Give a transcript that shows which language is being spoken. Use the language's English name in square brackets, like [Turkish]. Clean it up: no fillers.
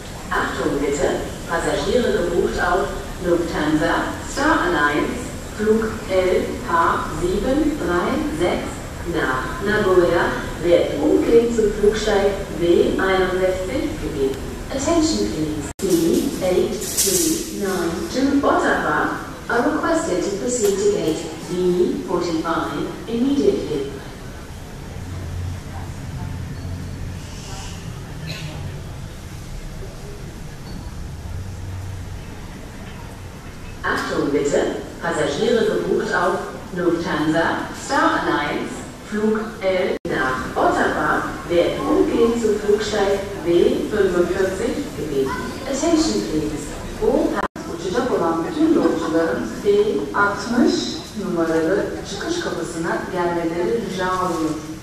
[German] Achtung bitte. Passagiere gebucht auf Lufthansa Star Alliance Flug LH736 nach Nagoya wird umgehend zum Flugsteig W61 gegeben. [English] Attention please, C8392 Ottawa are requested to proceed to gate D45 immediately. [German] Bitte, Passagiere gebucht auf Lufthansa Star Alliance Flug L nach Ottawa werden umgehend zum Flugsteig W45 gebeten. [English] Attention please. [Turkish] Uçacak olan bütün yolcuların B60 numaralı çıkış kapısına gelmeleri rica ediyorum.